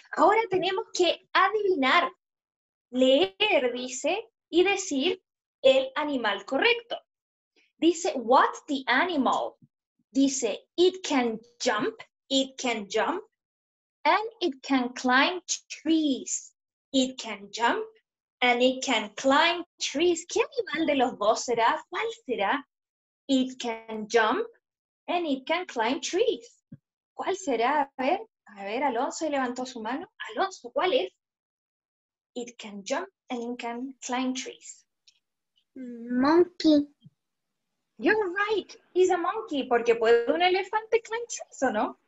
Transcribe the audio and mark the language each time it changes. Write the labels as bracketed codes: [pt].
[es] Ahora tenemos que adivinar, leer, dice, y decir el animal correcto. Dice, [en] what's the animal? [es] Dice, [en] it can jump, and it can climb trees. It can jump, and it can climb trees. [es] ¿Qué animal de los dos será? ¿Cuál será? [en] It can jump, and it can climb trees. [es] ¿Cuál será? A ver, Alonso levantó su mano. Alonso, ¿cuál es? [en] It can jump and it can climb trees. Monkey. You're right. It's a monkey. [es] Porque puede un elefante [en] climb trees, [es] ¿o no?